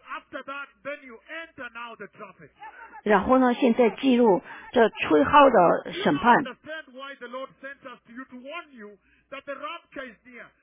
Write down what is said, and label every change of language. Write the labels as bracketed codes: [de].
[en] after that, then you enter now the trumpet. [zh] 然后呢, 现在记录这吹号的审判。 [en] You understand why the Lord sent us to you to warn you that the rapture is near.